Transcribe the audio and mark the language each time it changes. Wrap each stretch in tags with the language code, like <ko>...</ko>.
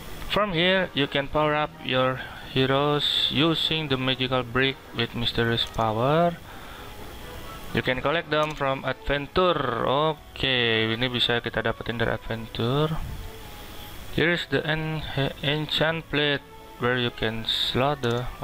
<en>From here you can power up your heroes using the magical brick with mysterious power. You can collect them from adventure.</en> <id>Oke, ini bisa kita dapetin dari adventure.</id> <en>Here is the enchant plate where you can slot the.</en>